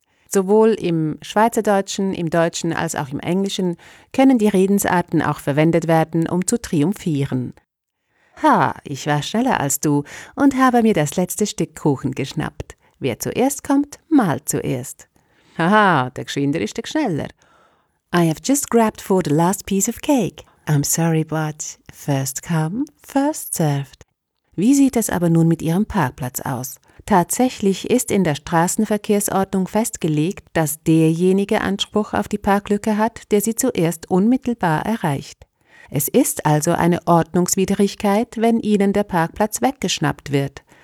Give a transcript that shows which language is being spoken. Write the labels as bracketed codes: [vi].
[de] Sowohl im Schweizerdeutschen, im Deutschen als auch im Englischen können die Redensarten auch verwendet werden, um zu triumphieren. Ha, ich war schneller als du und habe mir das letzte Stück Kuchen geschnappt. Wer zuerst kommt, malt zuerst. Haha, der Geschwinder ist der Schneller. [en] I have just grabbed for the last piece of cake. I'm sorry, but first come, first served. [de] Wie sieht es aber nun mit Ihrem Parkplatz aus? Tatsächlich ist in der Straßenverkehrsordnung festgelegt, dass derjenige Anspruch auf die Parklücke hat, der sie zuerst unmittelbar erreicht. Es ist also eine Ordnungswidrigkeit, wenn Ihnen der Parkplatz weggeschnappt wird.